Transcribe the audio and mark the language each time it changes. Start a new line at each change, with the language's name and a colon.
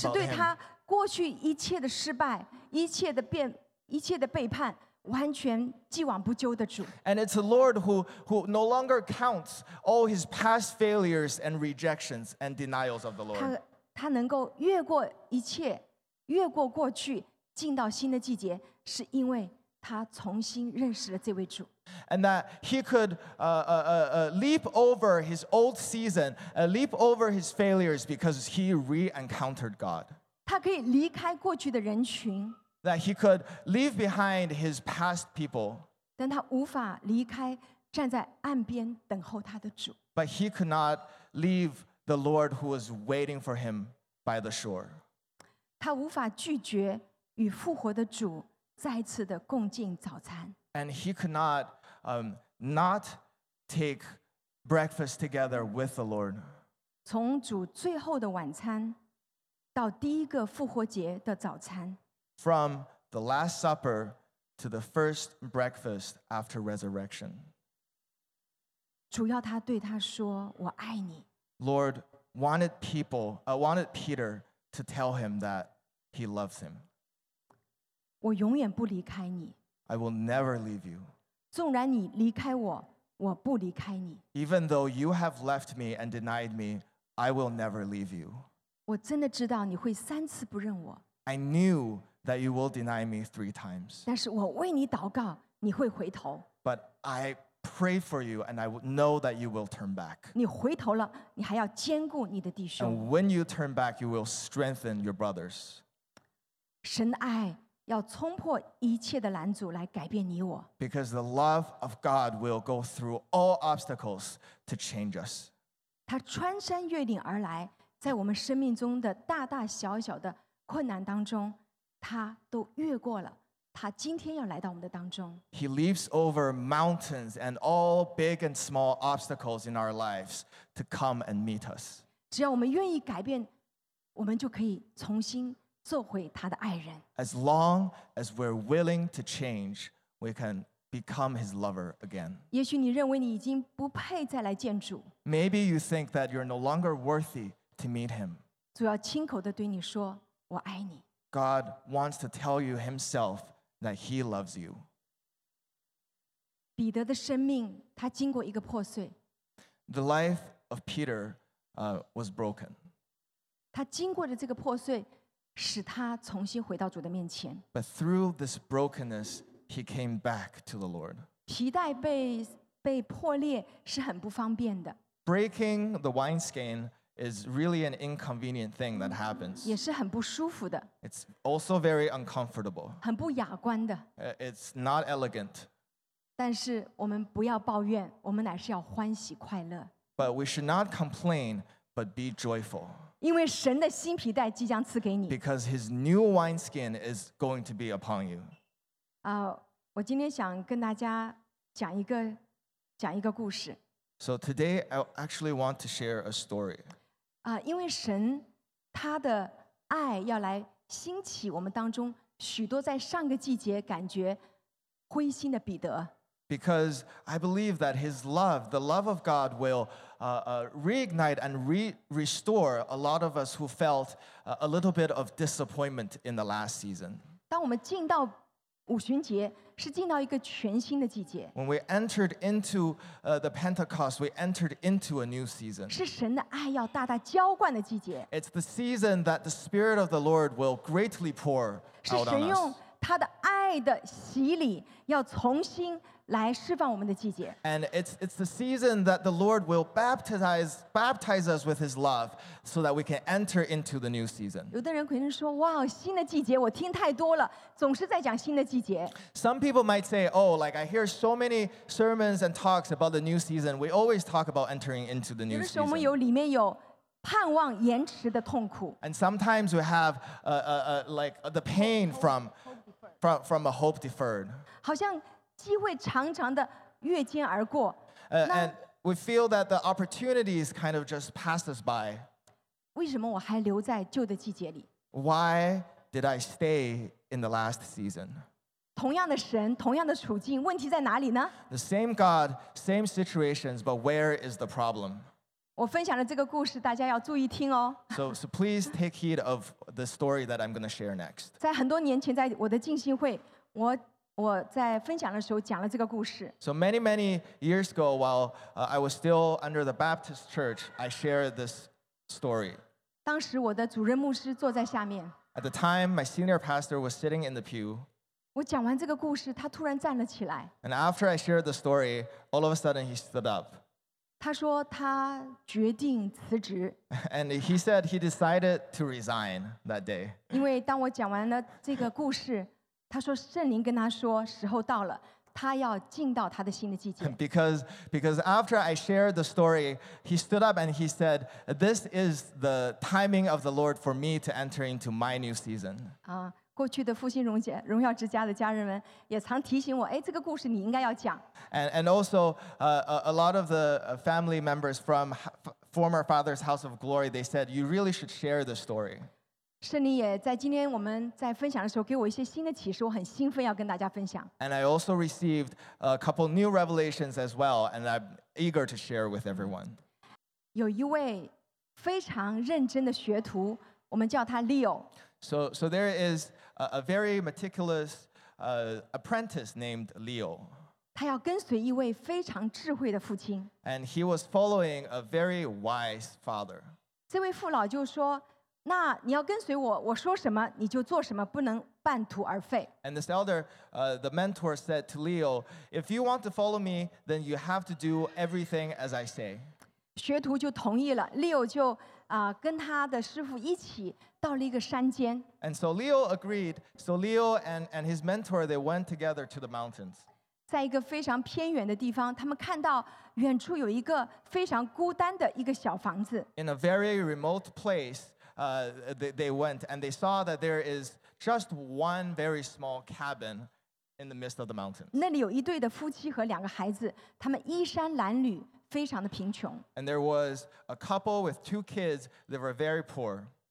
Chinese: 是对他过去一切的失败、一切的背叛。完全既往不咎的主。
English: And it's the Lord who no longer counts all his past failures and rejections and denials of the Lord.
Chinese: 他能够越过一切，越过过去，进到新的季节，是因为他重新认识了这位主。
English: And that he could leap over his old season, leap over his failures because he re-encountered God.
Chinese: 他可以离开过去的人群。
English: That he could leave behind his past people.
Chinese: 但他无法离开站在岸边等候他的主。
English: But he could not leave the Lord who was waiting for him by the shore.
Chinese: 他无法拒绝与复活的主再次的共进早餐。
English: And he could not not take breakfast together with the Lord.
Chinese: 从主最后的晚餐到第一个复活节的早餐。
English: From the Last Supper to the first breakfast after resurrection.
Chinese: 主要他对他说，我爱你。
English: Lord wanted people, wanted Peter to tell him that he loves him.
Chinese: 我永远不离开你。
English: I will never leave you.
Chinese: 纵然你离开我，我不离开你。
English: Even though you have left me and denied me, I will never leave you.
Chinese: 我真的知道你会三次不认我。
English: I knew that you will deny me three times.
Chinese: 但是我为你祷告，你会回头。
English: But I pray for you and I know that you will turn back.
Chinese: 你回头了，你还要坚固你的弟兄。
English: And when you turn back, you will strengthen your brothers.
Chinese: 神的爱要冲破一切的拦阻来改变你我。
English: Because the love of God will go through all obstacles to change us.
Chinese: 他穿山越岭而来，在我们生命中的大大小小的困难当中他都越过了，他今天要来到我们的当中。
English: He leaps over mountains and all big and small obstacles in our lives to come and meet us.
Chinese: 只要我们愿意改变，我们就可以重新做回他的爱人。
English: As long as we're willing to change, we can become his lover again.
Chinese: 也许你认为你已经不配再来见主。
English: Maybe you think that you're no longer worthy to meet him.
Chinese: 主要亲口地对你说，我爱你。
English: God wants to tell you himself that he loves you.
Chinese: 彼得的生命，他经过一个破碎。
English: The life of Peter was broken.
Chinese: 他经过的这个破碎，使他重新回到主的面前。
English: But through this brokenness, he came back to the Lord.
Chinese: 皮带被破裂是很不方便的。
English: Breaking the wineskin is really an inconvenient thing that happens.
Chinese: 也是很不舒服的。
English: It's also very uncomfortable.
Chinese: 很不雅观的。
English: It's not elegant.
Chinese: 但是我们不要抱怨，我们乃是要欢喜快乐。
English: But we should not complain, but be joyful.
Chinese: 因为神的新皮带即将赐给你。
English: Because his new wineskin is going to be upon you.
Chinese: 我今天想跟大家讲一个故事。
English: So today, I actually want to share a story.
Chinese: 因为神他的爱要来兴起我们当中许多在上个季节感觉灰心的彼得。
English: Because I believe that his love, the love of God, will reignite and restore a lot of us who felt a little bit of disappointment in the last season. When we entered into the Pentecost, we entered into a new season. It's the season that the Spirit of the Lord will greatly pour out on us.
Chinese: 他的爱的洗礼要重新来释放我们的季节。
English: And it's the season that the Lord will baptize us with his love so that we can enter into the new season.
Chinese: 有的人可能说哇新的季节我听太多了总是在讲新的季节。
English: Some people might say, oh, like I hear so many sermons and talks about the new season. We always talk about entering into the new season.
Chinese: 我们有里面有盼望延迟的痛苦。
English: And sometimes we have like the pain from a hope deferred.
Chinese: 好像机会常常的越肩而过。
English: And we feel that the opportunities kind of just passed us by.
Chinese: 为什么我还留在旧的季节里？
English: Why did I stay in the last season?
Chinese: 同样的神，同样的处境，问题在哪里呢？
English: The same God, same situations, but where is the problem?
Chinese: 我分享了这个故事，大家要注意听哦。
English: So please take heed of the story that I'm going to share next.
Chinese: 在很多年前，在我的浸信会，我在分享的时候讲了这个故事。
English: So many years ago, while I was still under the Baptist Church, I shared this story.
Chinese: 当时我的主任牧师坐在下面。
English: At the time, my senior pastor was sitting in the pew.
Chinese: 我讲完这个故事，他突然站了起来。
English: And after I shared the story, all of a sudden he stood up.
Chinese: 他说他决定辞职。
English: And he said he decided to resign that day.
Chinese: 因为当我讲完了这个故事，他说圣灵跟他说时候到了，他要进到他的新的季节。
English: Because after I shared the story, he stood up and he said, "This is the timing of the Lord for me to enter into my new season."
Chinese: 过去的复兴荣耀荣耀之家的家人们也常提醒我，哎，这个故事你应该要讲。
English: And also, a lot of the family members from former Father's House of Glory, they said you really should share the story.
Chinese: 圣灵也在今天我们在分享的时候给我一些新的启示，我很兴奋要跟大家分享。
English: And I also received a couple new revelations as well, and I'm eager to share with everyone.
Chinese: 有一位非常认真的学徒，我们叫他 Leo。
English: So there is a very meticulous apprentice named Leo.
Chinese: 他要跟随一位非常智慧的父亲。
English: And he was following a very wise father.
Chinese: 这位父老就说，那你要跟随我，我说什么你就做什么，不能半途而废。
English: And this elder, the mentor said to Leo, if you want to follow me, then you have to do everything as I say.
Chinese: 学徒就同意了，Leo就跟他的师父一起到了一个山间。
English: And so Leo agreed. So Leo and his mentor, they went together to the mountains.
Chinese: 在一个非常偏远的地方，他们看到远处有一个非常孤单的一个小房子。
English: In a very remote place, they went and they saw that there is just one very small cabin in the midst of the mountains.
Chinese: 那里有一对的夫妻和两个孩子，他们衣衫褴褛。非常的贫穷。
English: And there was a couple with two kids that were very poor.